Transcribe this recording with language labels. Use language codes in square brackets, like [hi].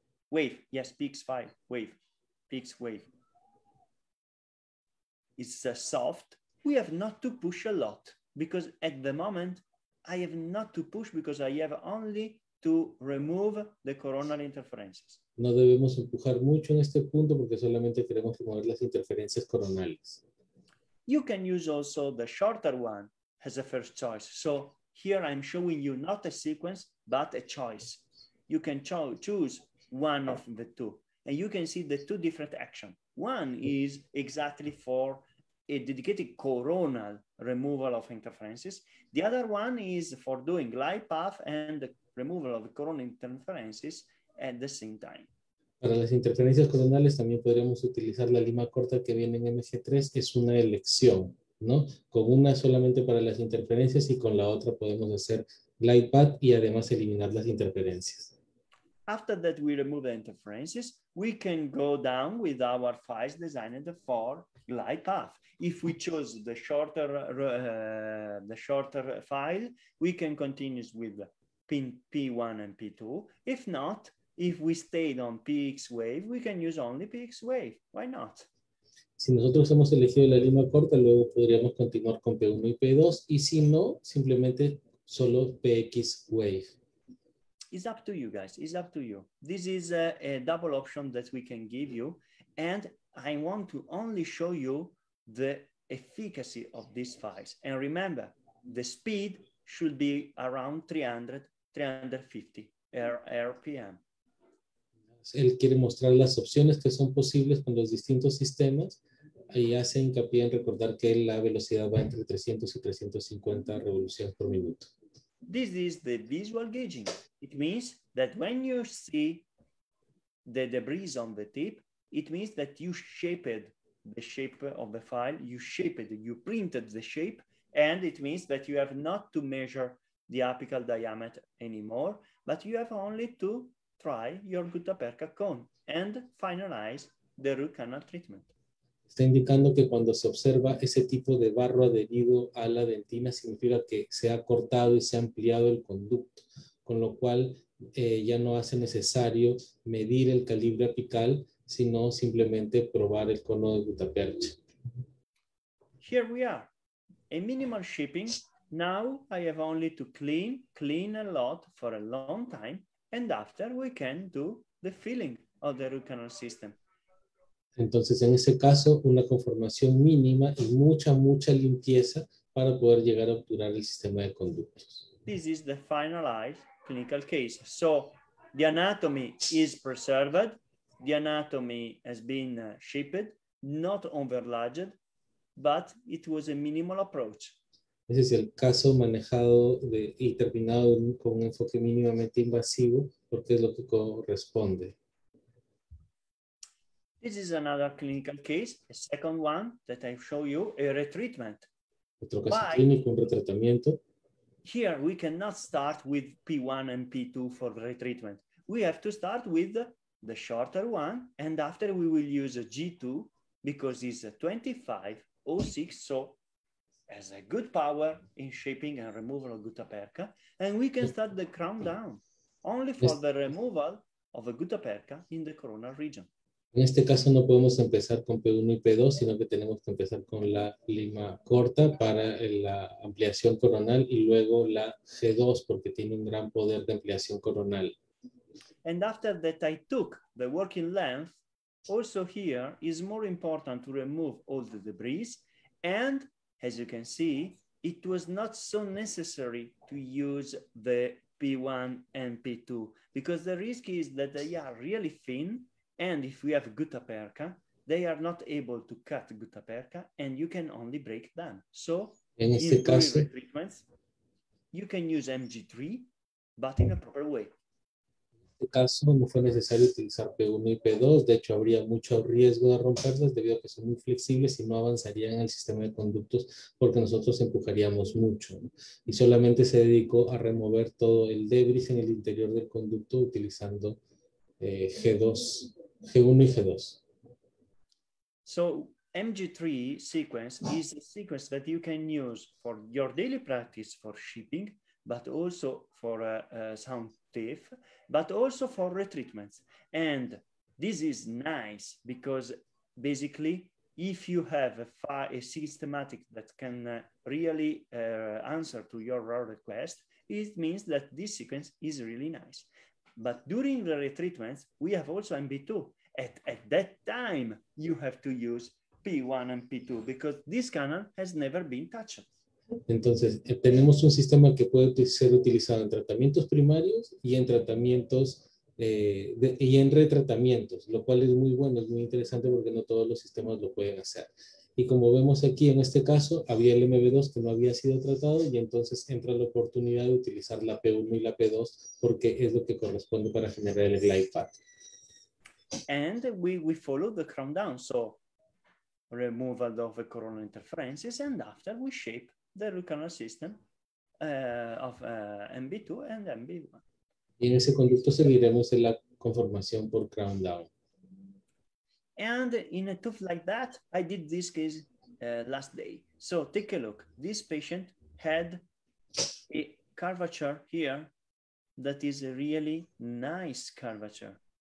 [en] Wave, yes, PX file, wave, PX wave. It's soft. We have not to push a lot because at the moment I have not to push because I have only to remove the coronal interferences. [es] No debemos empujar mucho en este punto porque solamente queremos remover las interferencias coronales. [en] You can use also the shorter one as a first choice. So here I'm showing you not a sequence, but a choice. You can choose one of the two and you can see the two different actions. One is exactly for a dedicated coronal removal of interferences. The other one is for doing glide path and the removal of the coronal interferences at the same time. [es] Para las interferencias coronales también podríamos utilizar la lima corta que viene en MG3, que es una elección, ¿no? Con una solamente para las interferencias y con la otra podemos hacer glide path y además eliminar las interferencias. [en] After that we remove the interferences, we can go down with our files designed for glide path. If we choose the shorter file, we can continue with pin P1 and P2. If not, if we stayed on PX wave, we can use only PX wave. Why not? [es] Si nosotros hemos elegido la lima corta, luego podríamos continuar con P1 y P2, y si no, simplemente solo PX wave. [en] It's up to you guys, it's up to you. This is a double option that we can give you. And I want to only show you the efficacy of these files. And remember, the speed should be around 300-350 RPM. [es] Él quiere mostrar las opciones que son posibles con los distintos sistemas y hace hincapié en recordar que la velocidad va entre 300 y 350 revoluciones por minuto. [en] This is the visual gauging. It means that when you see the debris on the tip, it means that you shaped the shape of the file, you shaped, you printed the shape, and it means that you have not to measure the apical diameter anymore, but you have only to try your gutta-percha cone and finalize the root canal treatment. [es] Está indicando que cuando se observa ese tipo de barro adherido a la dentina, significa que se ha cortado y se ha ampliado el conducto, con lo cual ya no hace necesario medir el calibre apical, sino simplemente probar el cono de gutta-percha. [en] here we are. A minimal shipping. Now I have only to clean a lot for a long time, and after we can do the filling of the root canal system. [es] Entonces, en ese caso, una conformación mínima y mucha limpieza para poder llegar a obturar el sistema de conductos. [en] This is the finalized clinical case. So the anatomy is preserved. The anatomy has been shipped, not overlarged, but it was a minimal approach. [es] Ese es el caso manejado de, y terminado con un enfoque mínimamente invasivo, porque es lo que corresponde. [en] This is another clinical case, a second one that I show you, a retreatment. [es] Otro caso clínico, un retratamiento. [en] Here we cannot start with P1 and P2 for retreatment. We have to start with the shorter one, and after we will use a G2 because it's a 2506, so has a good power in shaping and removal of gutta-percha, and we can start the crown down only for the removal of a gutta-percha in the coronal region. [es] En este caso no podemos empezar con P1 y P2, sino que tenemos que empezar con la lima corta para la ampliación coronal y luego la G2 porque tiene un gran poder de ampliación coronal. [en] And after that I took the working length, also here is more important to remove all the debris, and as you can see, it was not so necessary to use the P1 and P2 because the risk is that they are really thin. And if we have gutta-percha, they are not able to cut gutta-percha and you can only break them. So, [es] en este caso, treatments, [en] you can use MG3, but in a proper way. [es] En este caso, no fue necesario utilizar P1 y P2. De hecho, habría mucho riesgo de romperlas debido a que son muy flexibles y no avanzarían en el sistema de conductos porque nosotros empujaríamos mucho. Y solamente se dedicó a remover todo el debris en el interior del conducto utilizando G1 y G2. [en] So MG3 sequence is a sequence that you can use for your daily practice for shipping, but also for sound teeth, but also for retreatments. And this is nice because basically, if you have a systematic that can really answer to your raw request, it means that this sequence is really nice. But during the retreatments, we have also MB2. At that time, you have to use P1 and P2 because this canal has never been touched. [es] Entonces, tenemos un sistema que puede ser utilizado en tratamientos primarios y en tratamientos y en retratamientos, lo cual es muy bueno, es muy interesante porque no todos los sistemas lo pueden hacer. Y como vemos aquí en este caso, había el MB2 que no había sido tratado y entonces entra la oportunidad de utilizar la P1 y la P2 porque es lo que corresponde para generar el glide path. [en] And we follow the crown down, so removal of the coronal interferences, and after we shape the root canal system of MB2 and MB1. [es] Y en ese conducto seguiremos en la conformación por crown down. [en] And in a tooth like that, I did this case last day. So take a look. This patient had a curvature here that is a really nice curvature.